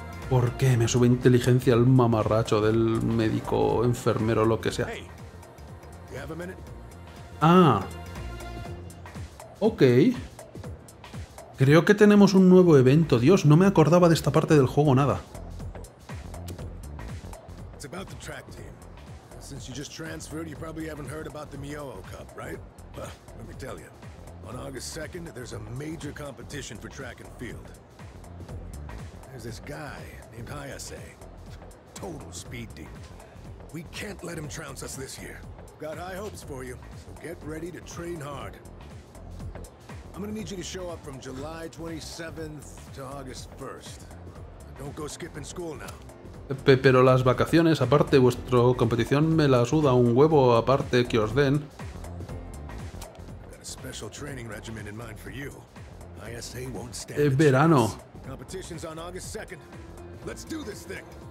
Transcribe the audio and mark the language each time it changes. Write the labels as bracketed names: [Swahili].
[Spanish] ¿Por qué me sube inteligencia el mamarracho del médico, enfermero, lo que sea? Ah. Ok. Creo que tenemos un nuevo evento. Dios, no me acordaba de esta parte del juego nada. [English] About the track team. Since you just transferred, you probably haven't heard about the Mioho Cup, right? Well, let me tell you. On August 2nd, there's a major competition for track and field. There's this guy named Hayase. Total speed demon. We can't let him trounce us this year. Got high hopes for you, so get ready to train hard. I'm gonna need you to show up from July 27th to August 1st. Don't go skipping school now. [Spanish] Pero las vacaciones, aparte, vuestra competición me la suda un huevo, aparte, que os den. [English] special training regimen in mind for you. ISA won't stand. [Spanish] Es verano. [English] Competition's on August 2nd. Let's do this thing.